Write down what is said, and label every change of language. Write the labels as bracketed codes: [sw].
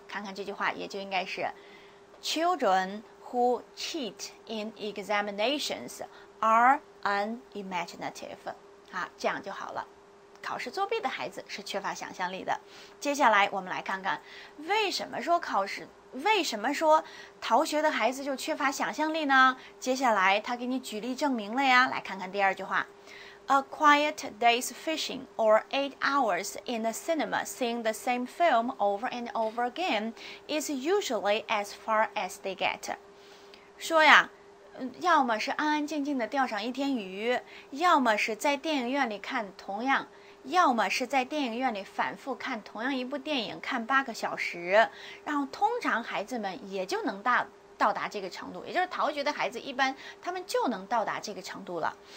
[zh] 看看这句话也就应该是 [en] Children who cheat in examinations are unimaginative。 [zh] 好，这样就好了，考试作弊的孩子是缺乏想象力的。接下来我们来看看为什么说逃学的孩子就缺乏想象力呢？接下来他给你举例证明了呀，来看看第二句话。 [en] A quiet day's fishing or 8 hours in the cinema seeing the same film over and over again is usually as far as they get. [zh] 说呀，要么是安安静静地钓上一天鱼，要么是在电影院里反复看同样一部电影，看8个小时，然后通常孩子们也就能到达这个程度，也就是逃学的孩子一般他们就能到达这个程度了。